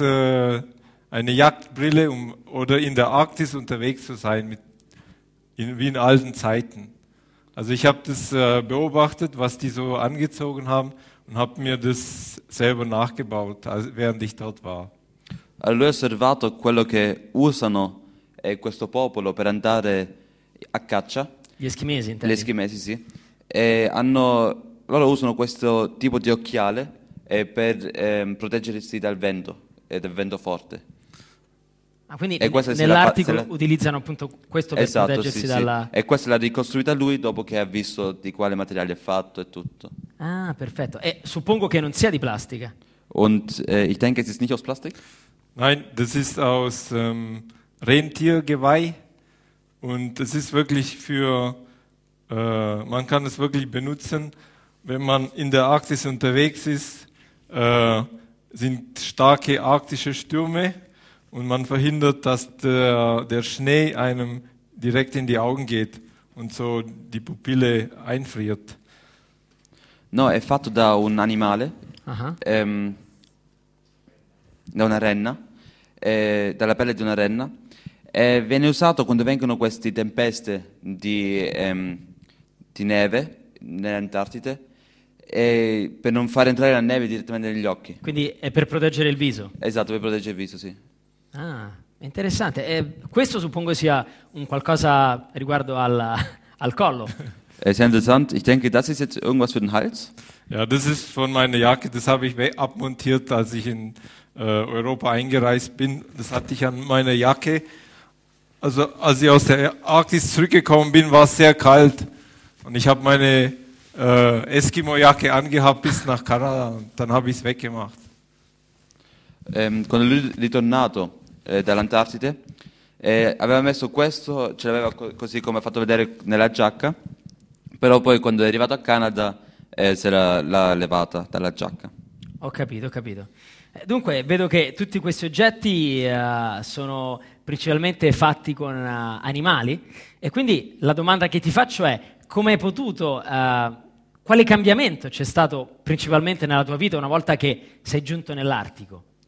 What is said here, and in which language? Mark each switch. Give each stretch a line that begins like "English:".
German: Eine Jagdbrille, oder in der Arktis unterwegs zu sein, wie in alten Zeiten. Also ich habe das beobachtet, was die so angezogen haben, und habe mir das selber nachgebaut, während ich dort war.
Italian: Allora ho osservato quello che usano questo popolo per andare a caccia. Gli Eschimesi, intendi? Gli Eschimesi, sì. E hanno, loro usano questo tipo di occhiale per proteggersi dal vento. Ed è vento forte. Ah, quindi nell'Artico utilizzano appunto questo per proteggersi dalla... E questa l'ha ricostruita lui dopo che ha visto di quale materiale è fatto e tutto. Ah, perfetto. E suppongo che non sia di plastica.
German: Und ich denke, es ist nicht aus Plastik. Nein, das ist aus Rentiergeweih. Und es ist wirklich für, man kann es wirklich benutzen, wenn man in der Arktis unterwegs ist, sind starke arktische Stürme und man verhindert, dass der Schnee einem direkt in die Augen geht und so die Pupille einfriert.
Italian: No, è fatto da un animale, da una renna, dalla pelle di una renna. Viene usato quando vengono queste tempeste di neve nell'Antartide per non far entrare la neve direttamente negli occhi. Quindi è per proteggere il viso? Esatto, per proteggere il viso, sì. Ah, interessante. Questo suppongo sia un qualcosa riguardo al collo. È interessante.
German: Ich denke, das ist jetzt irgendwas für den Hals. Ja, das ist von meiner Jacke. Das habe ich abmontiert, als ich in Europa eingereist bin. Das hatte ich an meiner Jacke. Also als ich aus der Arktis zurückgekommen bin, war es sehr kalt und ich habe meine Eskimo-Jacke angehabt bis nach Kanada und dann habe ich es weggemacht.
Italian: Quando lui ritornato dall'Antartide, aveva messo questo, ce l'aveva così come ha fatto vedere nella giacca, però poi quando è arrivato a Canada se l'ha levata dalla giacca. Ho capito, ho capito. Dunque, vedo che tutti questi oggetti sono principalmente fatti con animali e quindi la domanda che ti faccio è come hai potuto, quale cambiamento c'è stato principalmente nella tua vita una volta che sei giunto nell'Artico?